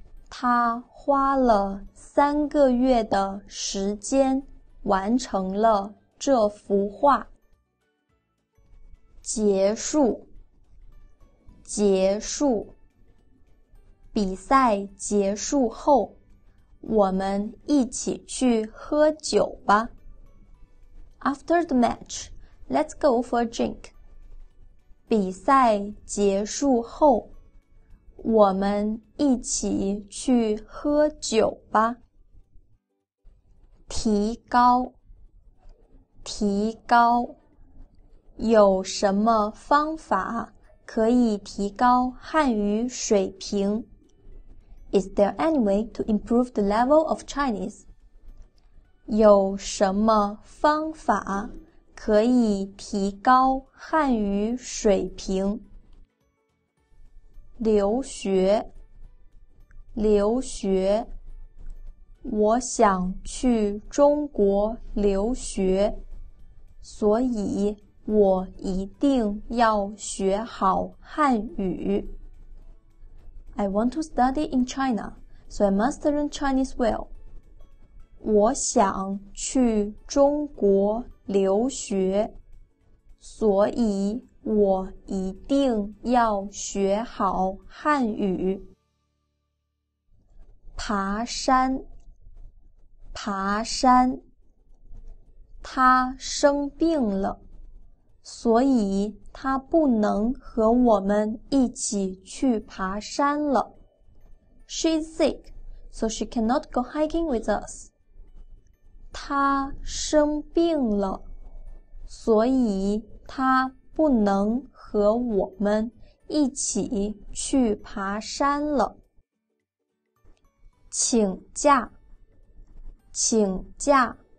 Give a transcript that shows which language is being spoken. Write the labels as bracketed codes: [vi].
[zh] 他花了三个月的时间完成了这幅画。结束，结束。比赛结束后我们一起去喝酒吧。 [en] After the match, let's go for a drink. [zh] 比赛结束后，我们一起去喝酒吧。提高，提高，有什么方法可以提高汉语水平？ [en] Is there any way to improve the level of Chinese? [zh] 有什么方法可以提高汉语水平？留学，留学，我想去中国留学，所以我一定要学好汉语。 [en] I want to study in China, so I must learn Chinese well. [zh] 我想去中国留学，所以我一定要学好汉语。爬山，爬山。他生病了，所以他不能和我们一起去爬山了。 [en] She's sick, so she cannot go hiking with us. [zh] 她生病了，所以她不能和我们一起去爬山了。请假，请假。